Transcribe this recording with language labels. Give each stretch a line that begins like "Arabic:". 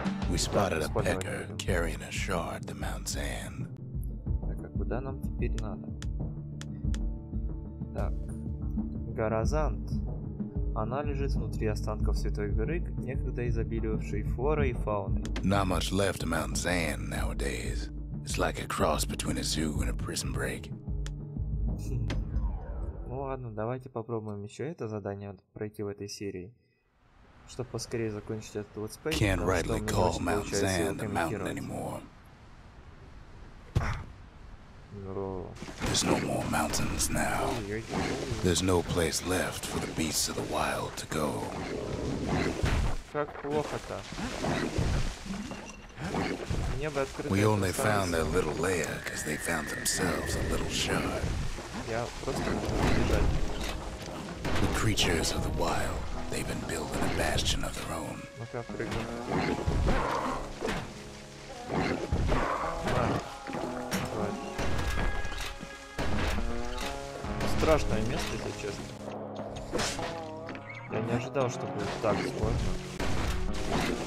English: We spotted a pecker carrying a shard to Mount Zand.
Russian: Так, а куда нам теперь надо? Так, гора Зант. Она лежит внутри останков Святой Горы, некогда изобиливавшей флорой и фауной.
English: Not much left of Mount Zand nowadays. It's like a cross between a zoo and a prison break.
Russian: Ну ладно, давайте попробуем еще это задание пройти в этой серии. Чтобы поскорее закончить этот летсплей,
English: can't rightly call Mount Zand a mountain anymore. There's no more mountains now. There's no place left for the beasts of the wild to go.
Russian: Как плохо-то.
English: We only found their little lair because they found themselves a little shard.
Russian: Я просто убежать.
English: The creatures of the wild. They've been building a bastion of their own. Look out for the
Russian: Страшное место, если честно. Я не ожидал, что будет так сложно.